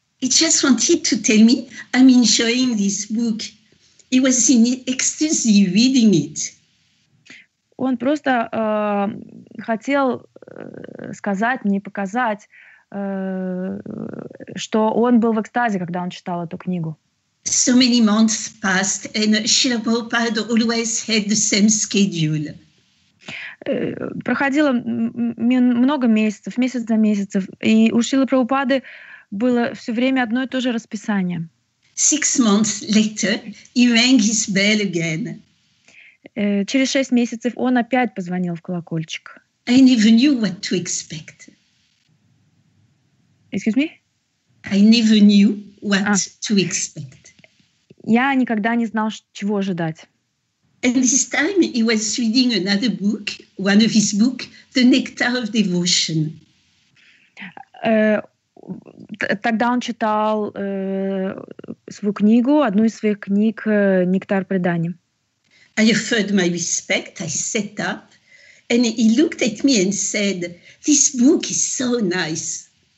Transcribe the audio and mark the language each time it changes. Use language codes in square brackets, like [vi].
[en] He just wanted to tell me I'm enjoying this book. He was in ecstasy reading it. [ru] Он просто хотел сказать мне, показать, что он был в экстазе, когда он читал эту книгу. [en] So many months passed, and Srila Prabhupada always had the same schedule. [ru] Проходило много месяцев, месяц за месяцем, и у Шрилы Прабхупады было все время одно и то же расписание. [en] 6 months later, he rang his bell again. [ru] Через 6 месяцев он опять позвонил в колокольчик. [en] I never knew what to expect. Excuse me? I never knew what to expect. [ru] Я никогда не знал, чего ожидать. [en] And this time he was reading another book, one of his books, The Nectar of Devotion. [ru] Тогда он читал свою книгу, одну из своих книг «Нектар предания». [en] I offered my respect, I sat up, and he looked at me and said, this book is so nice.